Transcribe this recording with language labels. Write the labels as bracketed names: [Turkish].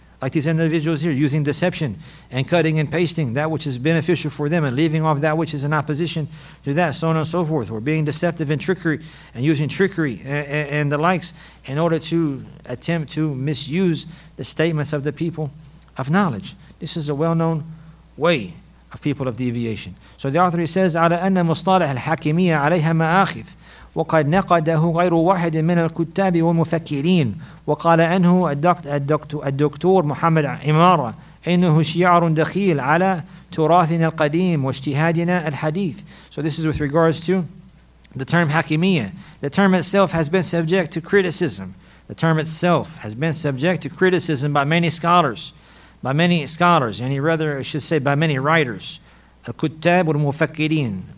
[English] Like these individuals here, using deception and cutting and pasting that which is beneficial for them and leaving off that which is in opposition to that, so on and so forth. Or being deceptive and trickery and using trickery and the likes in order to attempt to misuse the statements of the people of knowledge. This is a well-known way of people of deviation. So the author, he says, [Arabic] عَلَى أَنَّ مُصْطَلَحَ الْحَكِمِيَّ عَلَيْهَا مَآخِذْ وَقَدْ نَقَدَهُ غَيْرُ وَاحِدٍ مِنَ الْكُتَّابِ وَالْمُفَكِّرِينَ وَقَالَ أَنْهُ الدكتور محمد عمارة إنه شعر دخيل على تراثنا القديم واجتهادنا الحديث. [English] So this is with regards to the term hakimiyya. The term itself has been subject to criticism. The term itself has been subject to criticism by many scholars. By many scholars, and rather I should say by many writers. [Arabic] الكتاب والمفكرين.